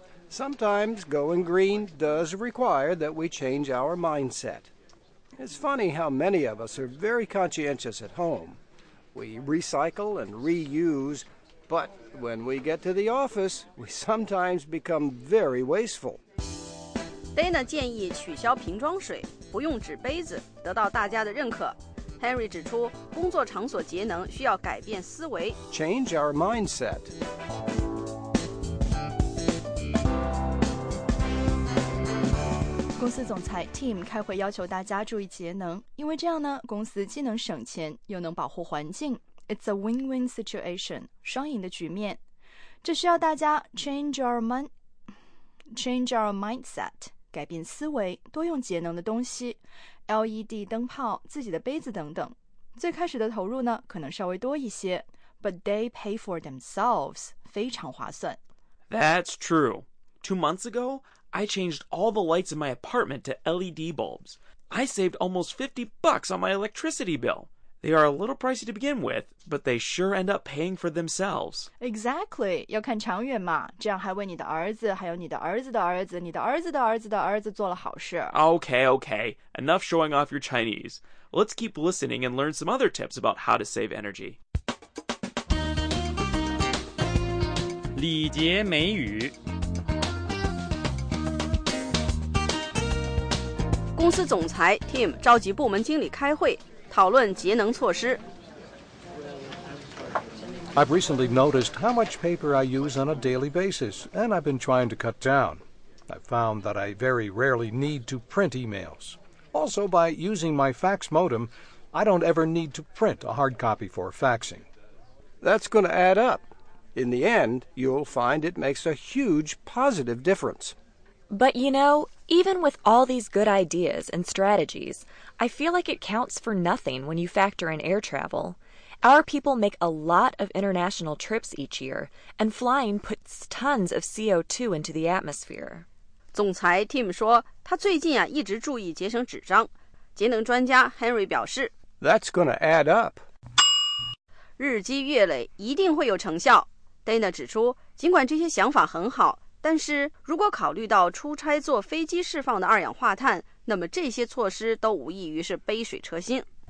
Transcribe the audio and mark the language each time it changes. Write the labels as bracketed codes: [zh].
[en] Sometimes going green does require that we change our mindset. It's funny how many of us are very conscientious at home. We recycle and reuse, but when we get to the office, we sometimes become very wasteful. [zh] Dana 建议取消瓶装水，不用纸杯子，得到大家的认可。 Henry 指出，工作场所节能需要改变思维。 [en] Change our mindset. [zh] 公司总裁 Tim 开会要求大家注意节能，因为这样呢，公司既能省钱，又能保护环境。 [en] It's a win-win situation, [zh] 双赢的局面。这需要大家 [en] change our mindset, [zh] 改变思维，多用节能的东西 ，LED 灯泡、自己的杯子等等。最开始的投入呢，可能稍微多一些 ， [en] but they pay for themselves, [zh] 非常划算。 [en] That's true. 2 months ago,I changed all the lights in my apartment to LED bulbs. I saved almost $50 on my electricity bill. They are a little pricey to begin with, but they sure end up paying for themselves. Exactly. [zh] 要看长远嘛，这样还为你的儿子，还有你的儿子的儿子，你的儿子的儿子的儿子做了好事。 [en] Okay, okay. Enough showing off your Chinese. Let's keep listening and learn some other tips about how to save energy. [zh] 礼节美语公司总裁 Tim 召集部门经理开会，讨论节能措施。 [en] I've recently noticed how much paper I use on a daily basis, and I've been trying to cut down. I've found that I very rarely need to print emails. Also, by using my fax modem, I don't ever need to print a hard copy for faxing. That's going to add up. In the end, you'll find it makes a huge positive difference. But you know, even with all these good ideas and strategies, I feel like it counts for nothing when you factor in air travel. Our people make a lot of international trips each year, and flying puts tons of CO2 into the atmosphere. [zh] 总裁 Tim 说，他最近啊一直注意节省纸张。节能专家 Henry 表示 [en] ，That's going to add up. [zh] 日积月累，一定会有成效。Dana 指出，尽管这些想法很好。但是如果考虑到出差坐飞机释放的二氧化碳，那么这些措施都无异于是杯水车薪。